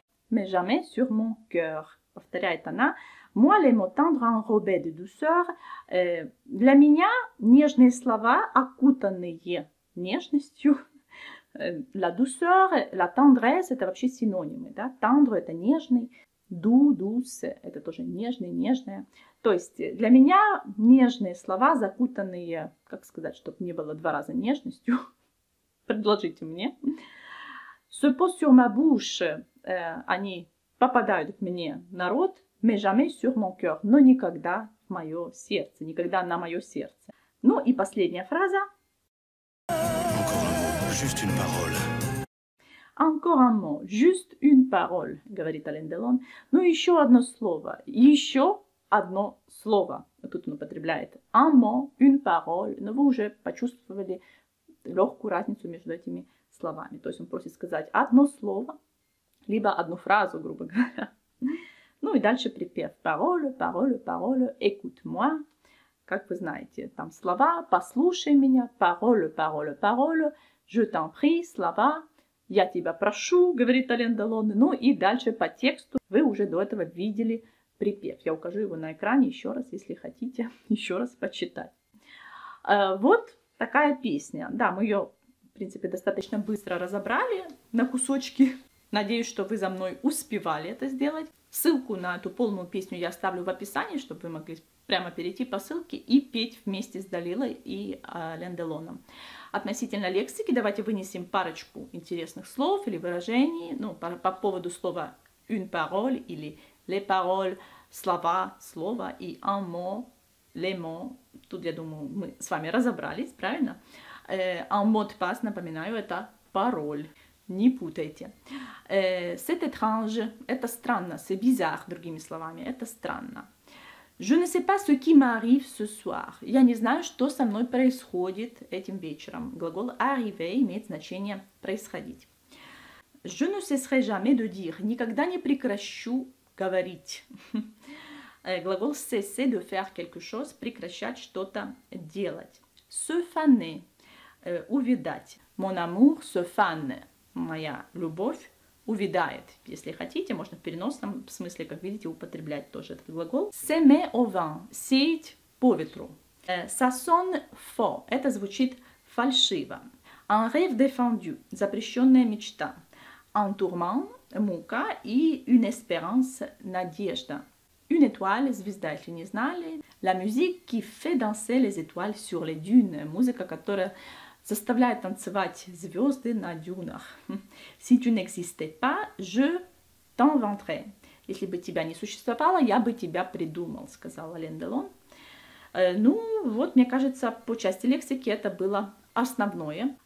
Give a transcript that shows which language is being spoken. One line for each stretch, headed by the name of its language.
French: Mais jamais sur mon cœur.
Russian: Повторяет она.
French: Moi, les mots tendres enrobés de douceur.
Russian: Для меня нежные слова, окутанные нежностью.
French: La douceur, la tendresse,
Russian: это вообще синонимы. Да? Tendre, это нежный.
French: Doux, douce,
Russian: это тоже нежный, нежная. То есть для меня нежные слова, закутанные, как сказать, чтобы не было два раза нежностью. Предложите мне.
French: Se pose sur ma bouche,
Russian: они попадают к мне на рот,
French: mais jamais sur mon cœur,
Russian: но никогда в мое сердце, никогда на мое сердце. Ну и последняя фраза.
French: Encore, juste une parole. Encore un mot, juste une parole,
Russian: говорит Ален Делон. Ну еще одно слово, еще одно слово. Тут он употребляет
French: un mot, une parole.
Russian: Но вы уже почувствовали легкую разницу между этими словами. То есть он просит сказать одно слово, либо одну фразу, грубо говоря. Ну и дальше припев.
French: Parole, parole, parole, écoute-moi.
Russian: Как вы знаете, там слова, послушай меня.
French: Parole, parole, parole, je t'en prie, слова.
Russian: Я тебя прошу, говорит Ален Делон. Ну и дальше по тексту вы уже до этого видели припев. Я укажу его на экране еще раз, если хотите еще раз почитать. Вот такая песня. Да, мы ее, в принципе, достаточно быстро разобрали на кусочки. Надеюсь, что вы за мной успевали это сделать. Ссылку на эту полную песню я оставлю в описании, чтобы вы могли прямо перейти по ссылке и петь вместе с Далилой и Ален Делоном. Относительно лексики, давайте вынесем парочку интересных слов или выражений. Ну, по поводу слова «une parole» или «les paroles», «слова», «слово» и «un mot», «les mots». Тут, я думаю, мы с вами разобрались, правильно?
French: «Un mot de passe»,
Russian: напоминаю, это
French: «пароль».
Russian: Не путайте.
French: «C'est étrange»
Russian: — это странно.
French: «C'est bizarre»,
Russian: другими словами, это странно.
French: «Je ne sais pas ce qui m'arrive ce soir».
Russian: Я не знаю, что со мной происходит этим вечером. Глагол «arriver» имеет значение «происходить».
French: «Je ne cesserai jamais de dire».
Russian: «Никогда не прекращу говорить». Глагол
French: «cesser de faire quelque chose»
Russian: — прекращать что-то делать.
French: «Se faner» — увидать. «Mon amour se faner».
Russian: Моя любовь увядает. Если хотите, можно в переносном смысле, как видите, употреблять тоже этот глагол.
French: Semer au vent.
Russian: Сеять по ветру.
French: Ça sonne faux.
Russian: Это звучит фальшиво.
French: Un rêve défendu.
Russian: Запрещенная мечта.
French: Un tourment.
Russian: Мука.
French: И une espérance. Надежда. Une étoile.
Russian: Звезда, если не знали.
French: La musique qui fait danser les étoiles sur les dunes.
Russian: Музыка, которая заставляет танцевать звезды на дюнах.
French: Si tu n'existais pas, je t'inventerais.
Russian: Если бы тебя не существовало, я бы тебя придумал, сказал Ален Делон. Ну, вот, мне кажется, по части лексики это было основное.